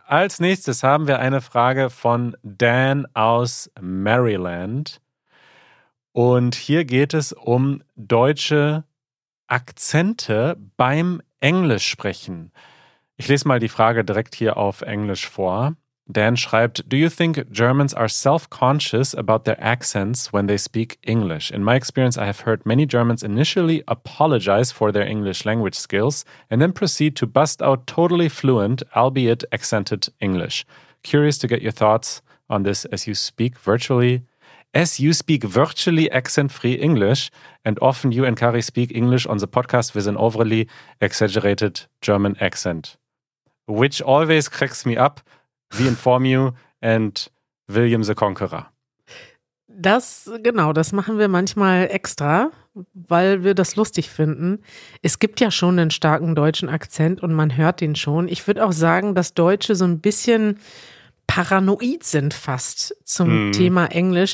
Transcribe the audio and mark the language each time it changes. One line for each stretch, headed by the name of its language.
German: Als nächstes haben wir eine Frage von Dan aus Maryland. Und hier geht es um deutsche Akzente beim Englisch sprechen. Ich lese mal die Frage direkt hier auf Englisch vor. Dan schreibt,
English: do you think Germans are self-conscious about their accents when they speak English? In my experience, I have heard many Germans initially apologize for their English language skills and then proceed to bust out totally fluent, albeit accented English. Curious to get your thoughts on this as you speak virtually accent-free English and often you and Kari speak English on the podcast with an overly exaggerated German accent, which always cracks me up. We inform you and William the Conqueror.
German: Das machen wir manchmal extra, weil wir das lustig finden. Es gibt ja schon einen starken deutschen Akzent und man hört den schon. Ich würde auch sagen, dass Deutsche so ein bisschen paranoid sind fast zum Thema Englisch.